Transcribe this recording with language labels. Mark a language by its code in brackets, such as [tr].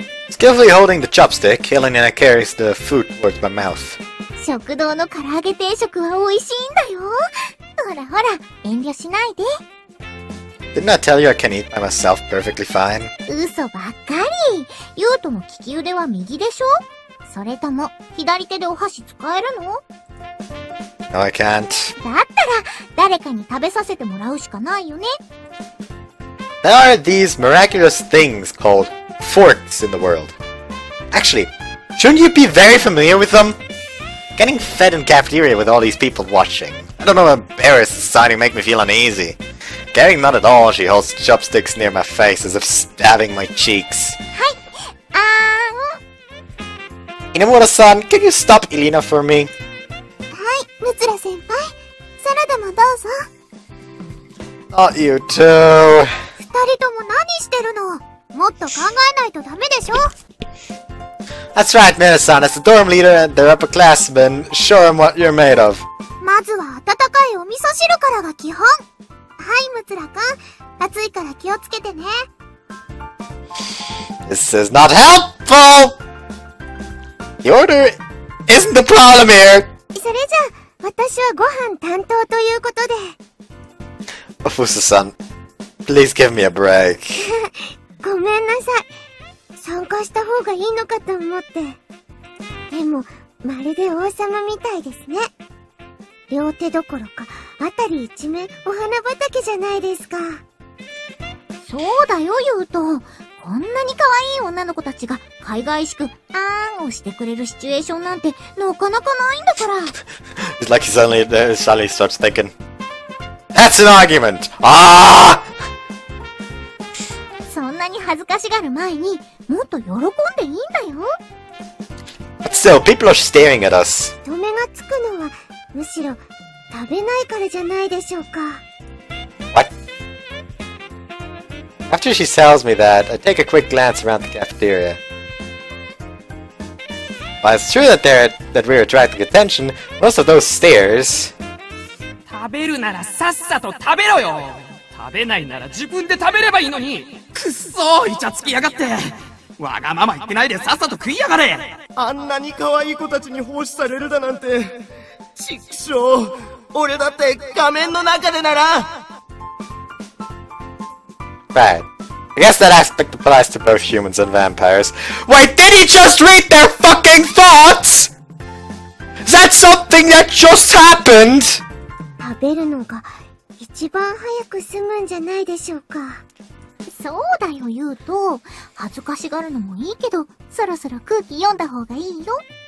[en] Skillfully holding the chopstick, Elena carries the food towards my mouth. [ja] 食堂の唐揚げ定食は美味しいんだよ。ほらほら、遠慮しないで。 [en] Didn't I tell you I can eat by myself perfectly fine? [ja] 嘘ばっかり。ユートの利き腕は右でしょ？それとも左手でお箸使えるの？ [en] No, I can't. [ja] だったら誰かに食べさせてもらうしかないよね。 [en] There are these miraculous things called forks in the world. Actually, shouldn't you be very familiar with them? Getting fed in cafeteria with all these people watching. I don't know, embarrassed society make me feel uneasy. Caring not at all, she holds chopsticks near my face as if stabbing my cheeks. Hi, Inamura-san, can you stop Elena for me? Hi, Mutsura-senpai. Salad もどうぞ。 Not you too. [ja] 二人とも何してるの？もっと考えないとダメでしょ。 [en] That's right, Mina-san. As the dorm leader and the upperclassman, show them what you're made of. [ja] まずは温かいお味噌汁からが基本。はい、ムツラ君。熱いから気をつけてね。 [en] This is not helpful! The order isn't the problem here! [ja] それじゃあ、私はご飯担当ということで。 [en] Ofusa-san, please give me a break. [ja] ごめんなさい。参加した方がいいのかと思って。でも、まるで王様みたいですね。両手どころか、あたり一面お花畑じゃないですか。そうだよ、ユウト。こんなに可愛い女の子たちが、かいがいしく、あーんをしてくれるシチュエーションなんて、なかなかないんだから。 [en] It's like he suddenly starts thinking, That's an argument! Ah! [ja] 恥ずかしがる前にもっと喜んでいいんだよ。 [en] But still, people are staring at us. [ja] 人目がつくのはむしろ食べないからじゃないでしょうか。 [en] What? After she tells me that, I take a quick glance around the cafeteria. While it's true that, we're attracting attention, most of those stares... [ja] 食べるならさっさと食べろよ。食べないなら自分で食べればいいのに。くっそー、イチャつきやがって。わがまま言ってないでさっさと食いやがれ。あんなに可愛い子たちに奉仕されるだなんて、ちくしょう。俺だって画面の中でなら。 [en] Right. I guess that aspect applies to both humans and vampires. Wait, did he just read their fucking thoughts? Is that something that just happened? [ja] 食べるのが一番早く済むんじゃないでしょうか。そうだよ、ユウト。恥ずかしがるのもいいけど、そろそろ空気読んだ方がいいよ。